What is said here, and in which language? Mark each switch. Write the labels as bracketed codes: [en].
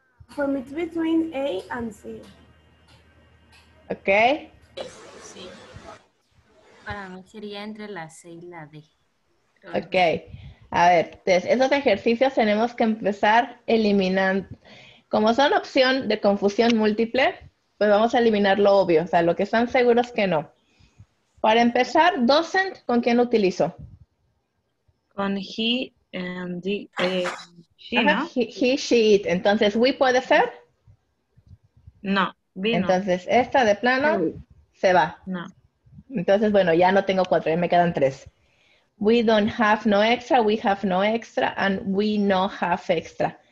[en] For me, it's between A and C. Okay. [es] Sí. Para mí sería entre la C y la D. Okay. A ver, entonces, esos ejercicios tenemos que empezar eliminando. Como son opción de confusión múltiple, pues vamos a eliminar lo obvio, o sea, lo que están seguros que no. Para empezar, docent, ¿con quién lo utilizo? Con he and the, she, ajá, ¿no? [en] He, she, it. [es] Entonces, [en] ¿we [es] puede ser? No, vi no. Entonces, esta de plano se va. No. Entonces, bueno, ya no tengo cuatro, ya me quedan tres. [en] We don't have no extra, we have no extra, and we no have extra.